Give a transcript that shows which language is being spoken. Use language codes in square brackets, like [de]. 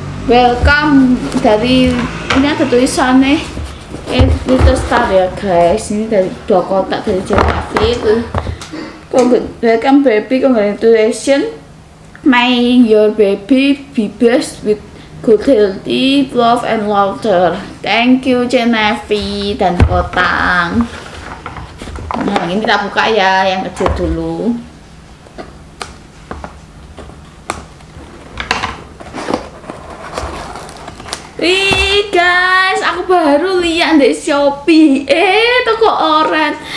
[id] Welcome dari ini ada tulisannya Little Star ya guys, ini dari dua kotak dari Cinevi itu. [en] Welcome baby, congratulations. May your baby be blessed with good healthy, love and laughter. Thank you Genevi dan Kotang. [id] Nah, ini kita buka ya, yang kecil dulu. Wih guys, aku baru lihat di Shopee. Toko orang.